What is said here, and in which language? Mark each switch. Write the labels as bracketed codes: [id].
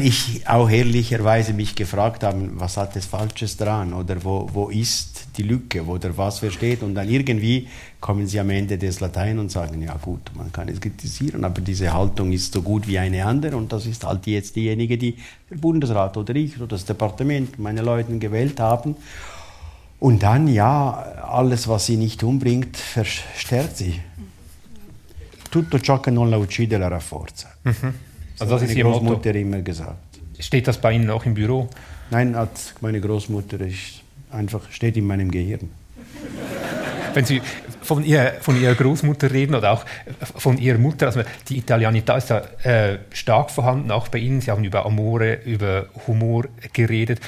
[de] Weil ich auch ehrlicherweise mich gefragt habe, was hat das Falsches dran oder wo ist die Lücke oder was versteht und dann irgendwie kommen Sie am Ende des Latein und sagen, ja gut, man kann es kritisieren, aber diese Haltung ist so gut wie eine andere und das ist halt jetzt diejenige, die der Bundesrat oder ich oder das Departement, meine Leute gewählt haben. Und dann, ja, alles, was sie nicht umbringt, verstärkt sie. [it] Tutto ciò che non la uccide la rafforza. [de] Also das ist meine Großmutter immer gesagt. Steht das bei Ihnen auch im Büro? Nein, hat meine Großmutter einfach steht in meinem Gehirn. Wenn Sie von ihrer Großmutter reden oder auch von ihrer Mutter, also die Italianità ist ja stark vorhanden, auch bei Ihnen. Sie haben über Amore, über Humor geredet.